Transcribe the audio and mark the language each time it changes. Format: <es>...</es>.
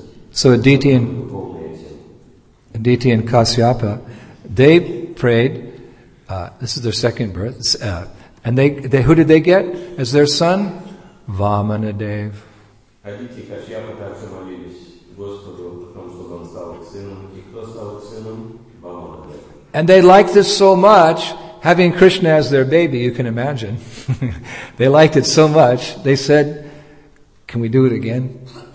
<en>So Aditi and Kasyapa, they prayed, this is their second birth, and they who did they get as their son? Vamanadev.</en> <ru>Aditi Kasyapa также молились Господу, потому что он стал их сыном, и кто стал их сыном? Vamanadev.</ru> <en>And they liked this so much, having Krishna as their baby, you can imagine. They liked it so much, they said, can we do it again?</en>